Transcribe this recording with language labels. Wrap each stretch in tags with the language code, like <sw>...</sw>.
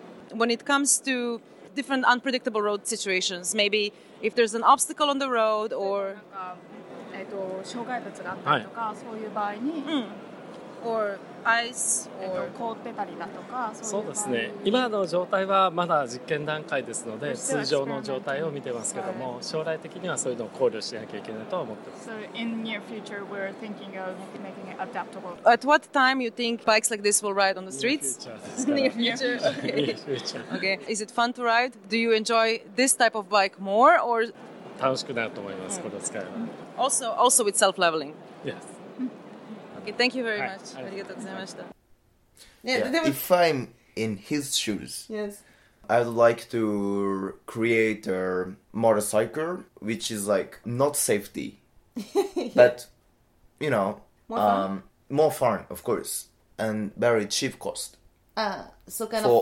<en>When it comes to different unpredictable road situations, maybe if there's an obstacle on the road or...</en> <ja>障害物があったりとか、そういう場合に、</ja> <en>or ice, or</en> <ja>凍ってたりだとか、そうですね。今の状態はまだ実験段階ですので、通常の状態を見てますけども、将来的にはそういうのを考慮しなきゃいけないと思ってます。</ja> <en>So in near future, we're thinking of making it adaptable. At what time you think bikes like this will ride on the streets? Near future. Okay. Is it fun to ride? Do you enjoy this type of bike more or?</en> <ja>楽しくなると思います。これを使えば。</ja> <en>Also with self-leveling. Yes. Okay, thank you very much.</en> <ja>ありがとうございました。</ja> <en>Yeah, if I'm in his shoes, yes. I would like to create a motorcycle which is like not safety, but you know, more fun, of course, and very cheap cost. So kind</en>